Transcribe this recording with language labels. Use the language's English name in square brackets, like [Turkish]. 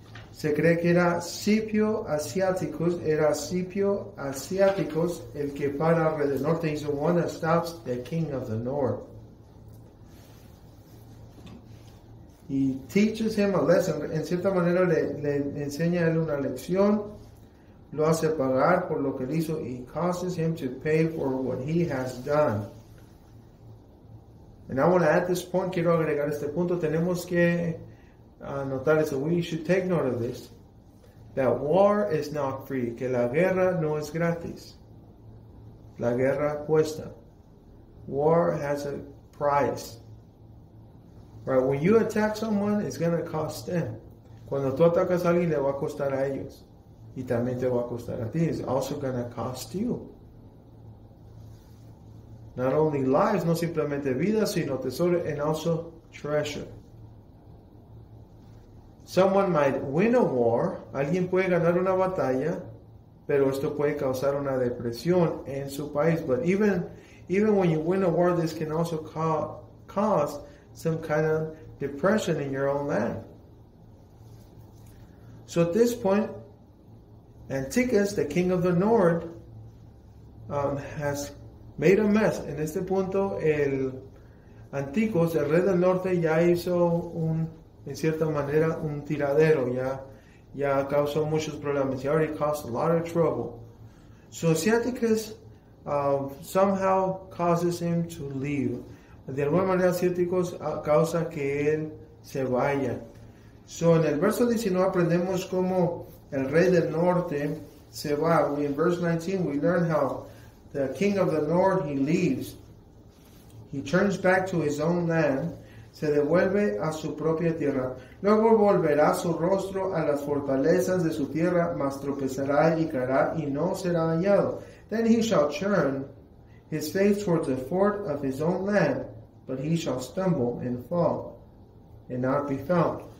[Spanish] Se cree que era Scipio Asiaticus, el que para el rey del norte. [English] He's the one that stops the king of the north. He teaches him a lesson. [Spanish] En cierta manera le enseña a él una lección. Lo hace pagar por lo que le hizo. [English] He causes him to pay for what he has done. And I want to add this point. [Spanish] Quiero agregar este punto. Tenemos que notar eso. [English] We should take note of this. That war is not free. [Spanish] Que la guerra no es gratis. La guerra cuesta. [English] War has a price. Right? When you attack someone, it's going to cost them. [Spanish] Cuando tú atacas a alguien, le va a costar a ellos. Y también te va a costar a ti. [English] It's also going to cost you. Not only lives, [Spanish] no simplemente vidas, sino tesoro, [English] and also treasure. Someone might win a war, [Spanish] alguien puede ganar una batalla, pero esto puede causar una depresión en su país. [English] But even when you win a war, this can also cause some kind of depression in your own land. So at this point, Antiochus, the king of the north, has made a mess. [Spanish] En este punto, el Antiochus, el rey del norte, ya hizo un, en cierta manera, un tiradero, ya causó muchos problemas. [English] He already caused a lot of trouble. So Asiaticus somehow causes him to leave. [Spanish] De alguna manera, Asiaticus causa que él se vaya. So en el verso 19 aprendemos cómo el rey del norte se va. [English] In verse 19, we learn how the king of the north, he leaves. He turns back to his own land. [Spanish] Se devuelve a su propia tierra. Luego volverá su rostro a las fortalezas de su tierra, mas tropezará y caerá y no será hallado. [English] Then he shall turn his face towards the fort of his own land, but he shall stumble and fall and not be found.